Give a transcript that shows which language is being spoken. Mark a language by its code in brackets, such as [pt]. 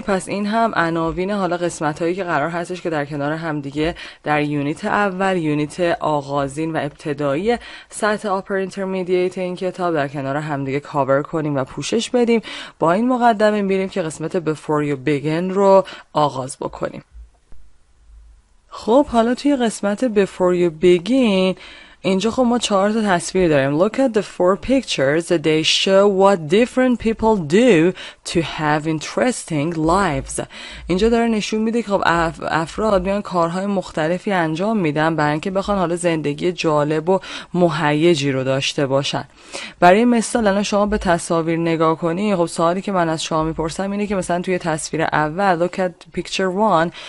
[fa] پس این هم عناوین حالا قسمت هایی که قرار هستش که در کنار هم دیگه در یونیت اول، یونیت آغازین و ابتدایی سطح upper intermediate این کتاب در کنار هم دیگه کاور کنیم و پوشش بدیم. با این مقدمه میریم که قسمت before you begin رو آغاز بکنیم. خب حالا توی قسمت before you begin اینجا خب ما چهار تا تصویر داریم. [en] Look at the four pictures. They show what different people do to have interesting lives. [fa] اینجا داره نشون میده که خب افراد میان کارهای مختلفی انجام میدن برای اینکه بخوان حالا زندگی جالب و مهیجی رو داشته باشن. برای مثال الان شما به تصاویر نگاه کنی، خب سوالی که من از شما میپرسم اینه که مثلا توی تصویر اول [en] Look at picture one.